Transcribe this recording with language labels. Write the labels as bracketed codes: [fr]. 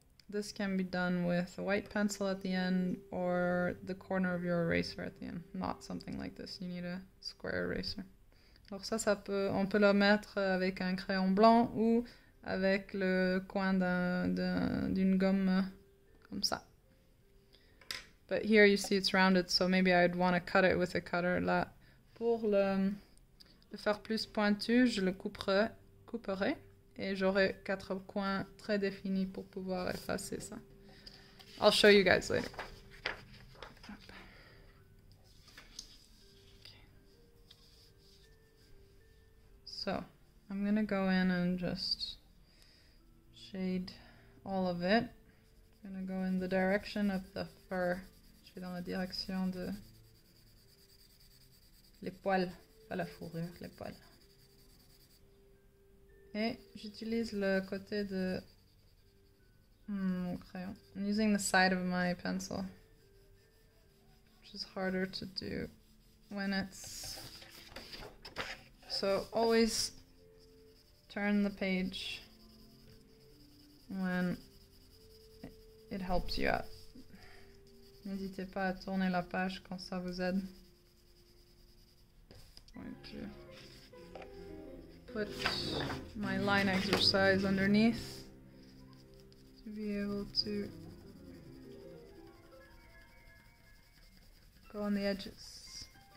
[en] This can be done with a white pencil at the end or the corner of your eraser at the end. Not something like this. You need a square eraser. [fr] Alors ça peut, on peut le mettre avec un crayon blanc ou avec le coin d'une gomme comme ça. [en] But here you see it's rounded, so maybe I'd want to cut it with a cutter. [fr] Là, pour le faire plus pointu, je le couperai et j'aurai quatre coins très définis pour pouvoir effacer ça. [en] I'll show you guys later. So, I'm gonna go in and just shade all of it. I'm gonna go in the direction of the fur. [fr] Je vais dans la direction de les poils, pas la fourrure, les poils. Et j'utilise le côté de mon crayon. [en] I'm using the side of my pencil, which is harder to do when it's... So always turn the page when it helps you out. [fr] N'hésitez pas à tourner la page quand ça vous aide. [en] I'm going to put my line exercise underneath to be able to go on the edges.